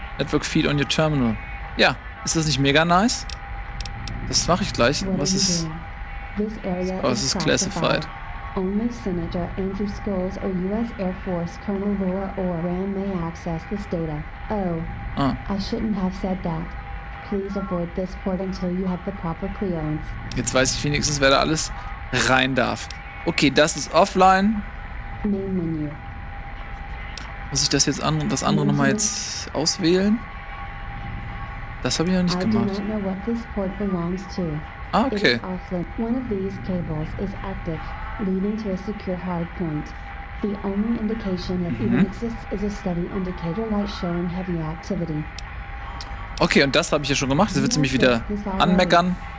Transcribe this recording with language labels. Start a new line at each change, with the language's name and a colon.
English: Network feed on your terminal.
German: Ja, ist das nicht mega nice? Das mache ich gleich. Was ist? Oh, es ist classified.
English: Only Senator Andrew Scholes or U.S. Air Force Colonel Laura Oran may access this data. Oh, I shouldn't have said that. Please avoid this port until you have the proper clearance.
German: Jetzt weiß ich wenigstens, wer da alles rein darf. Okay, das ist offline.
English: Main Menu.
German: Muss ich das jetzt an das andere nochmal jetzt auswählen? Das habe ich noch nicht gemacht.
English: I do not know what this port belongs to. Ah, okay. It is offline. One of these cables is active, leading to a secure hardpoint. The only indication that even exists is a steady indicator light showing heavy activity.
German: Okay, und das habe ich ja schon gemacht. Jetzt wird sie mich wieder anmeckern.